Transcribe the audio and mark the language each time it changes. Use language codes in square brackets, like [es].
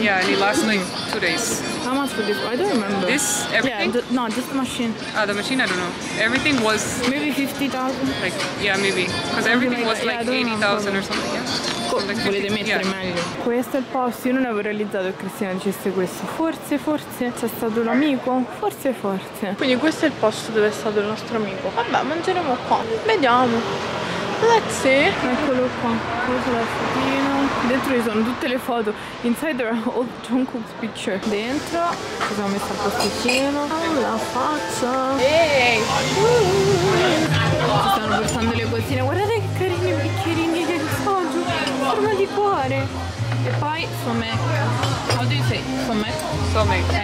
[en] Yeah, and it lasts like 2 days. How much for this? I don't remember. This? Everything? Yeah, no, just the machine. Ah, the machine? I don't know. Everything was... Maybe 50,000? Like, yeah, maybe. Because everything like was that. Like yeah, 80,000 or something. Yeah. [it] Volete mettere meglio? Questo è il posto, io non avevo realizzato che Cristina dicesse questo. Forse c'è stato l'amico. Forse. Quindi questo è il posto dove è stato il nostro amico. Vabbè, mangeremo qua. Vediamo. [en] Let's see. [it] Eccolo qua. Questo è la fotina. Dentro ci sono tutte le foto. [en] Inside there are all Jungkook's picture. [it] Dentro ci siamo messi al posticino. La faccia. Ehi. Ci stanno portando le cosine. Guardate che carini i bicchierini che sono. Forma di cuore. E poi Somek. [en] How do you say? [it] Somek.